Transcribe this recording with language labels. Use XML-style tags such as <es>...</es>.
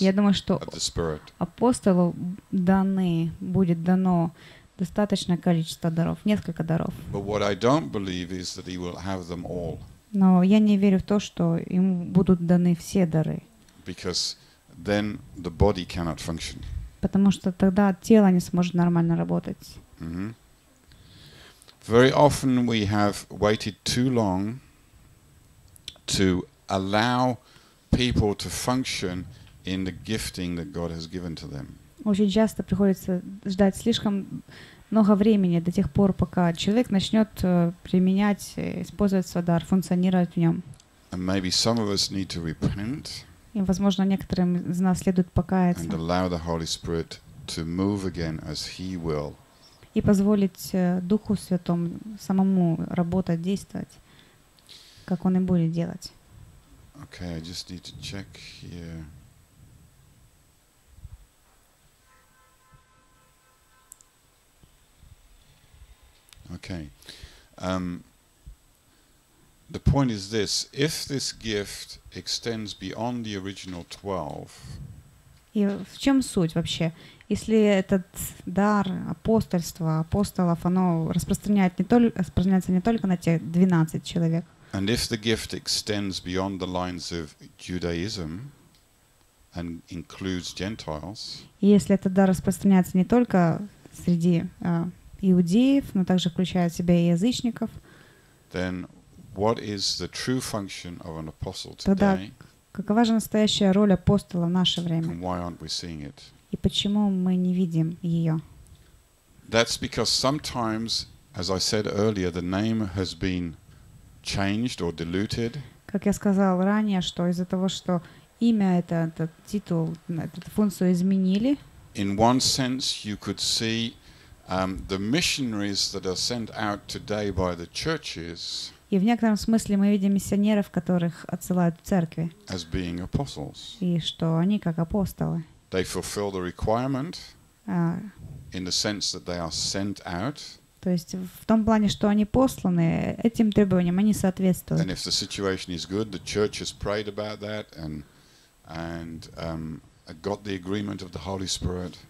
<ru>Я думаю, что апостолу даны будет дано достаточное количество даров, несколько даров.</ru> <en>But what I don't believe is that he will have them all.</en> <ru>Но я не верю в то, что им будут даны все дары.</ru> <en>Because then the body cannot function.</en> <ru>Потому что тогда тело не сможет нормально работать. Mm-hmm.</ru> <en>Very often we have waited too long to allow people to function in the gifting that God has given to them.</en> <ru>Очень часто приходится ждать слишком много времени до тех пор, пока человек начнет применять, использовать свой дар, функционировать в нем.</ru> <en>And maybe some of us need to repent.</en> <ru>И, возможно, некоторым из нас следует покаяться и позволить Духу Святому самому работать, действовать, как Он и будет делать.</ru> <en>Okay, I just need to check here. Okay. The point is this: if this gift extends beyond the original 12,</en> <ru>и в чем суть вообще? Если этот дар апостольства, апостолов, оно распространяется не только на те 12 человек.</ru> <en>And if the gift extends beyond the lines of Judaism and includes Gentiles,</en> <ru>если этот дар распространяется не только среди иудеев, но также включая в себя и язычников,</ru> <en>then what is the true function of an apostle today?</en> <ru>Тогда какова же настоящая роль апостола в наше время?</ru> <en>And why aren't we seeing it?</en> <ru>И почему мы не видим ее?</ru> <en>That's because sometimes, as I said earlier, the name has been changed or diluted.</en> <ru>Как я сказал ранее, что из-за того, что имя это, этот титул, эту функцию изменили.</ru> <en>In one sense, you could see the missionaries that are sent out today by the churches.</en> <ru>И в некотором смысле мы видим миссионеров, которых отсылают в церкви.</ru> <en>As being apostles.</en> <ru>И что они как апостолы.</ru> <en>They fulfill the requirement in the sense that they are sent out.</en> <ru>То есть в том плане, что они посланы, этим требованиям они соответствуют.</ru> <en>And if the situation is good, the church has prayed about that and got the agreement of the Holy Spirit.</en>